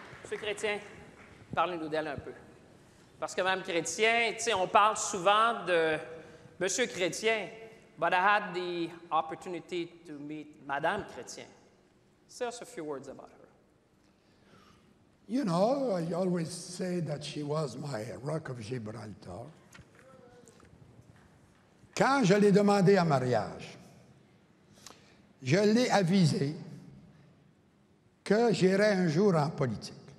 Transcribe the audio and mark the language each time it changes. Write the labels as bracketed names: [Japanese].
[French] Chrétien, parlez-nous d'elle un peu. Parce que Mme Chrétien, tu sais, on parle souvent de M. [English] Chrétien, but I had the opportunity to meet Mme Chrétien. Say us a few words about her. You know, I always say that she was my rock of Gibraltar. [French] Quand je l'ai demandée en mariage, je l'ai avisée que j'irais un jour en politique.